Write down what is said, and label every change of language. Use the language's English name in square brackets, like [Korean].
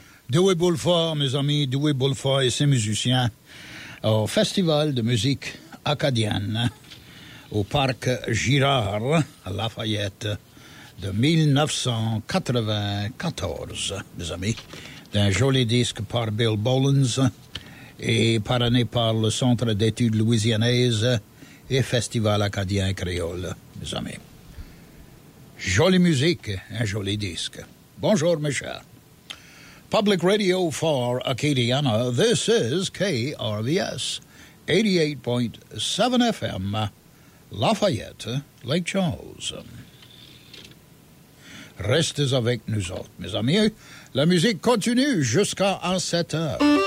[French] Dewey Bulford, mes amis, Dewey Bulford et ses musiciens, au Festival de musique acadienne, au Parc Girard, à Lafayette, de 1994, mes amis, d'un joli disque par Bill Bolens, et parrainé par le Centre d'études louisianaises et Festival acadien créole, mes amis. Jolie musique, un joli disque. Bonjour, mes chers. [English] Public Radio for Acadiana, this is KRVS, 88.7 FM, Lafayette, Lake Charles. [French] Restez avec nous autres, mes amis. La musique continue jusqu'à 7 heures.